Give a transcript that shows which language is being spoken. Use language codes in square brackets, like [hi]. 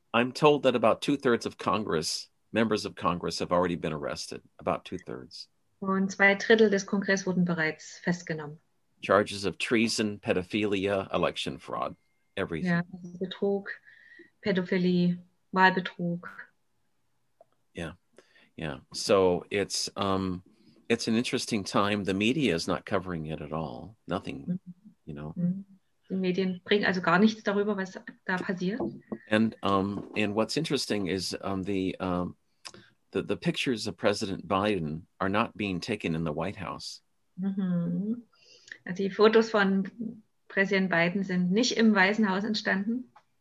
[en] I'm told that about 2/3 of Congress Members of Congress have already been arrested, about 2/3. [de] Und 2/3 des Kongress wurden bereits festgenommen. [en] Charges of treason, pedophilia, election fraud, everything. [de] Ja, Betrug, Pädophilie, Wahlbetrug. [en] Yeah, yeah. So it's an interesting time. The media is not covering it at all. Nothing, you know. [de] Die Medien bringen also gar nichts darüber, was da passiert. [en] And what's interesting is the pictures of President Biden are not being taken in the White House. Mm-hmm. [de] Die Fotos von Präsident Biden sind nicht im Weißen Haus entstanden.